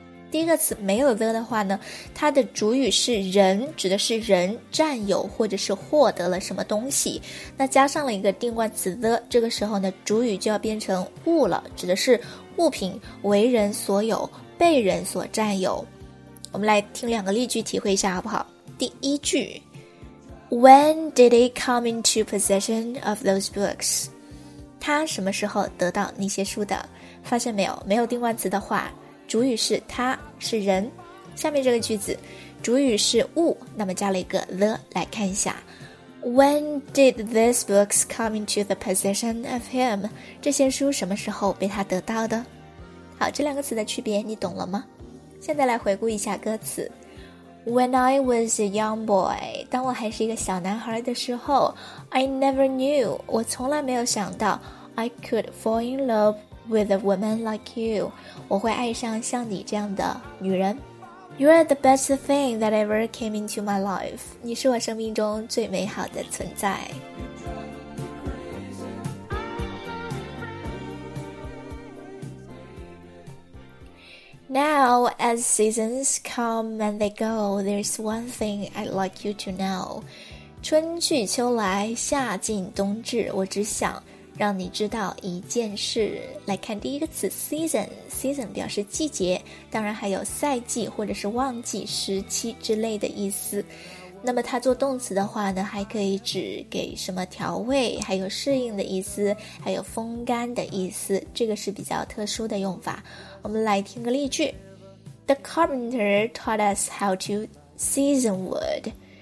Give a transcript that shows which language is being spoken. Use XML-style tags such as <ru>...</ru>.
<zh>第一个词没有 the 的话呢，它的主语是人，指的是人占有或者是获得了什么东西，那加上了一个定冠词 the, 这个时候呢主语就要变成物了，指的是物品为人所有，被人所占有。我们来听两个例句体会一下好不好。第一句，</zh> <en>When did he come into possession of those books?</en> <zh>他什么时候得到那些书的？发现没有，没有定冠词的话，主语是他，是人。下面这个句子主语是物，那么加了一个 the 来看一下。</zh> <en>When did these books come into the possession of him?</en> <zh>这些书什么时候被他得到的？好，这两个词的区别你懂了吗？</zh> <en>现在来回顾一下歌词。When I was a young boy,</en> <zh>当我还是一个小男孩的时候，</zh> <en>I never knew,</en> <zh>我从来没有想到，</zh> <en>I could fall in loveWith a woman like you,</en> <zh>我会爱上像你这样的女人。</zh> <en>You are the best thing that ever came into my life.</en> <zh>你是我生命中最美好的存在。</zh> <en>Now, as seasons come and they go, there's one thing I'd like you to know.</en> <zh>春去秋来，夏尽冬至，我只想让你知道一件事。来看第一个词 season, season 表示季节，当然还有赛季或者是旺季、时期之类的意思。那么它做动词的话呢，还可以指给什么调味，还有适应的意思，还有风干的意思，这个是比较特殊的用法。我们来听个例句。</zh> <en>The carpenter taught us how to season wood.</en>